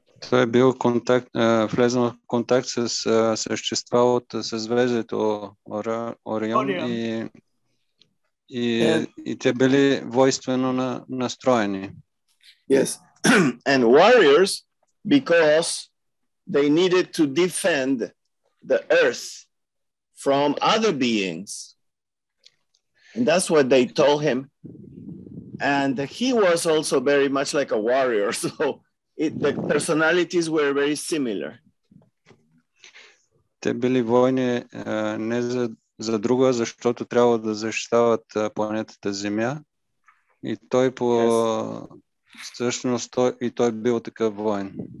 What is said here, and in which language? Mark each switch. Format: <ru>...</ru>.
<bg>Той бил влезен в контакт с същества от съзвездието Орион и те били войствено настроени.</bg> <en>Yes. And warriors because they needed to defend the earth from other beings. And that's what they told him. And he was also very much like a warrior, so the personalities were very similar.</en> <bg>Те били войни не за друга, защото трябва да защитават планетата Земя. И той по всъщност и той бил такъв воин.</bg>